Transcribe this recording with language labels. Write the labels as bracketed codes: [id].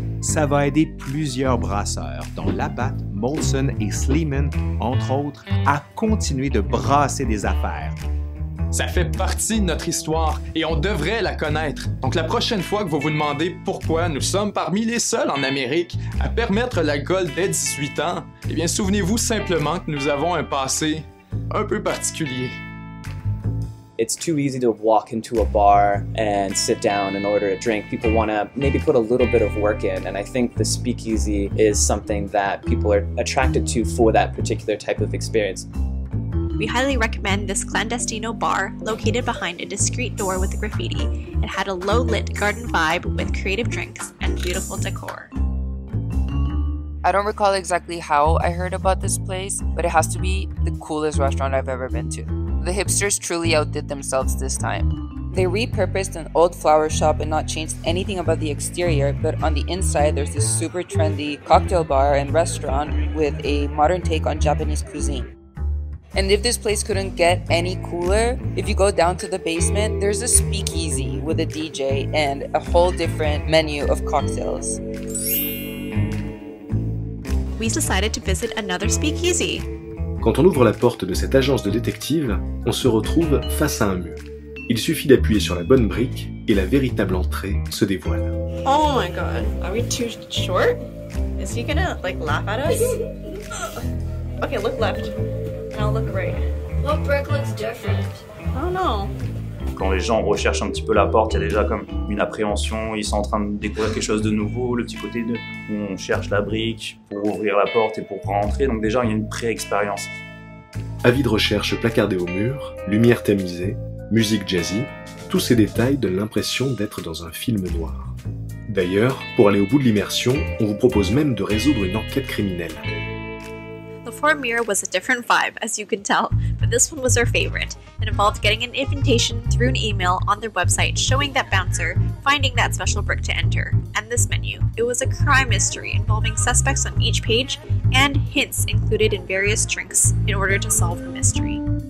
[fr] Ça va aider plusieurs brasseurs, dont Labatt, Molson et Sleeman, entre autres, à continuer de brasser des affaires. Ça fait partie de notre histoire et on devrait la connaître. Donc la prochaine fois que vous vous demandez pourquoi nous sommes parmi les seuls en Amérique à permettre l'alcool dès 18 ans, eh bien souvenez-vous simplement que nous avons un passé un peu particulier. [en] It's too easy to walk into a bar and sit down and order a drink. People want to maybe put a little bit of work in, and I think the speakeasy is something that people are attracted to for that particular type of experience. We highly recommend this clandestino bar located behind a discreet door with graffiti. It had a low-lit garden vibe with creative drinks and beautiful decor. I don't recall exactly how I heard about this place, but it has to be the coolest restaurant I've ever been to. The hipsters truly outdid themselves this time. They repurposed an old flower shop and not changed anything about the exterior, but on the inside there's this super trendy cocktail bar and restaurant with a modern take on Japanese cuisine. And if this place couldn't get any cooler, if you go down to the basement, there's a speakeasy with a DJ and a whole different menu of cocktails. We decided to visit another speakeasy. [fr] Quand on ouvre la porte de cette agence de détectives, on se retrouve face à un mur. Il suffit d'appuyer sur la bonne brique et la véritable entrée se dévoile. [en] Oh my god, are we too short? Is he gonna like laugh at us? Okay, look left. Now look right. What brick looks different? I don't know. [fr] Quand les gens recherchent un petit peu la porte, il y a déjà comme une appréhension. Ils sont en train de découvrir quelque chose de nouveau. Le petit côté de où on cherche la brique pour ouvrir la porte et pour rentrer. Donc déjà, il y a une pré-expérience. Avis de recherche placardé au mur, lumière tamisée, musique jazzy. Tous ces détails donnent l'impression d'être dans un film noir. D'ailleurs, pour aller au bout de l'immersion, on vous propose même de résoudre une enquête criminelle. [en] Before Mira was a different vibe, as you can tell, but this one was her favorite. It involved getting an invitation through an email on their website showing that bouncer, finding that special brick to enter, and this menu. It was a crime mystery involving suspects on each page and hints included in various drinks in order to solve the mystery.